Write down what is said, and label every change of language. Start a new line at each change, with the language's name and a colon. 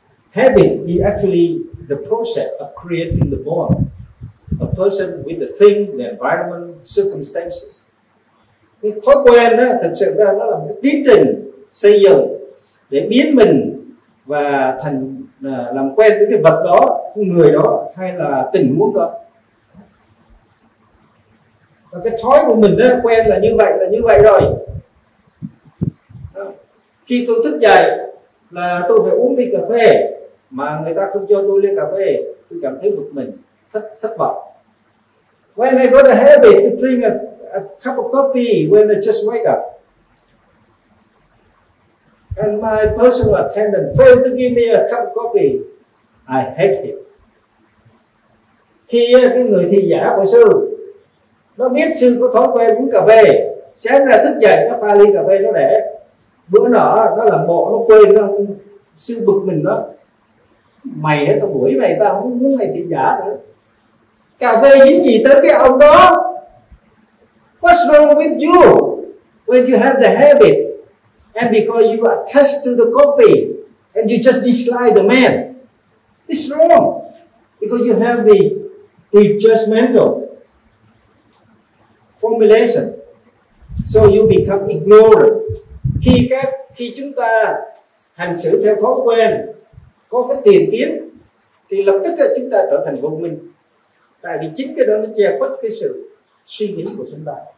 English: Habit is actually the process of creating the bond, a person with the thing, the environment, circumstances.
Vietnamese: Cái thói quen đó, thực sự ra nó là một tiến trình xây dựng để biến mình và thành làm quen với cái vật đó, người đó hay là tình huống đó. Và cái thói của mình đó, quen là như vậy, là như vậy rồi. Khi tôi thức dậy là tôi phải uống ly cà phê, mà người ta không cho tôi ly cà phê, tôi cảm thấy bực mình, thất vọng.
English: When I got a habit to drink a cup of coffee when I just wake up, and my personal attendant failed to give me a cup of coffee, I hate him.
Vietnamese: Khi cái người thị giả của sư, nó biết sư có thói quen uống cà phê, sáng ra thức dậy nó pha ly cà phê nó để, bữa nọ nó làm bộ nó quên, nó sư bực mình đó. Mày hết tao buổi mày, tao không muốn mày thị giả nữa. Cà phê dính gì tới cái ông đó?
English: What's wrong with you when you have the habit and because you attach to the coffee and you just dislike the man? It's wrong because you have the prejudgmental formulation, so you become ignorant.
Vietnamese: Khi chúng ta hành xử theo thói quen, có cái tiền kiếm, thì lập tức là chúng ta trở thành vô minh. Tại vì chính cái đó nó che khuất cái sự suy nghĩ của chúng ta.